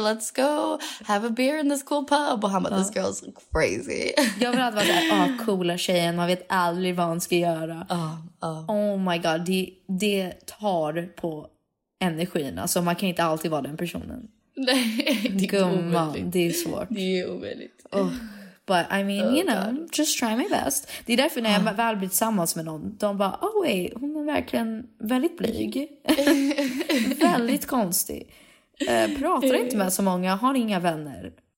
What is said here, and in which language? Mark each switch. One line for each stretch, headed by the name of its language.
English: Or let's go have a beer in this cool pub.
Swedish: Och han bara,
English: this girl's crazy.
Swedish: Jag vill alltid vara så här, oh, coola tjejen. Man vet aldrig vad hon ska göra.
English: Oh my god.
Swedish: Det tar på energin. Alltså man kan inte alltid vara den personen. Nej, det är svårt. Det är omöjligt.
English: But I mean, you know, just try my best.
Swedish: Det är därför när jag väl blir tillsammans med någon, de bara,
English: oh wait,
Swedish: hon är verkligen väldigt blyg. Väldigt konstig. Pratar inte med så många, har inga vänner.